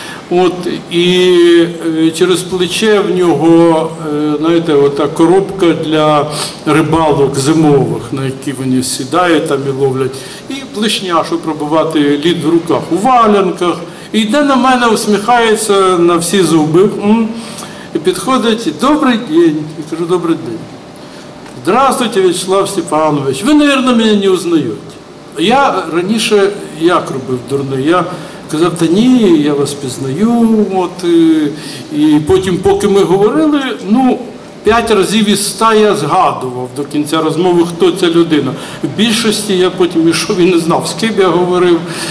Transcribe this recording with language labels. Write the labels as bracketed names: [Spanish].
[Ukrainian] От, і через плече в нього, знаєте, ота коробка для рибалок зимових, на які вони сідають там і ловлять. І плишня, щоб пробувати лід в руках, у валянках. І йде на мене, усміхається на всі зуби. І підходить, добрий день, я кажу, добрий день. [Russian] Здравствуйте, Вячеслав Степанович. [Ukrainian] Ви, мабуть, мене не узнаєте. Я раніше як робив дурно? Я казав, та ні, я вас пізнаю. От, і потім, поки ми говорили, ну, 5 разів із 100 я згадував до кінця розмови, хто ця людина. В більшості я потім ішов і не знав, з ким я говорив.